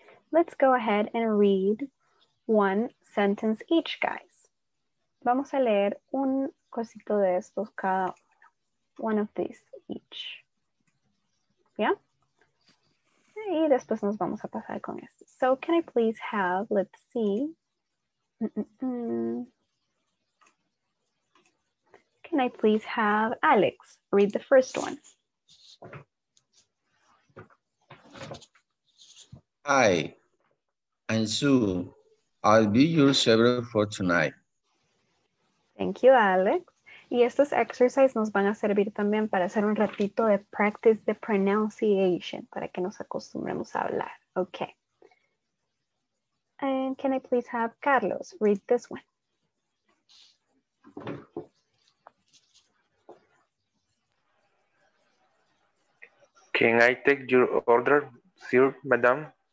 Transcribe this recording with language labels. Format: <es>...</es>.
<en>Let's go ahead and read one sentence each, guys.</en> <es>Vamos a leer un cosito de estos cada uno.</es> <en>One of these each.</en> <es>¿Ya? Y después nos vamos a pasar con esto.</es> <en>So, can I please have, let's see. Can I please have Alex read the first one? Hi, I'm Sue. I'll be your server for tonight. Thank you, Alex.</en> <es>Y estos exercises nos van a servir también para hacer un ratito de practice de pronunciation, para que nos acostumbremos a hablar.</es> <en>Okay. And can I please have Carlos read this one? Can I take your order, sir, madam?</en>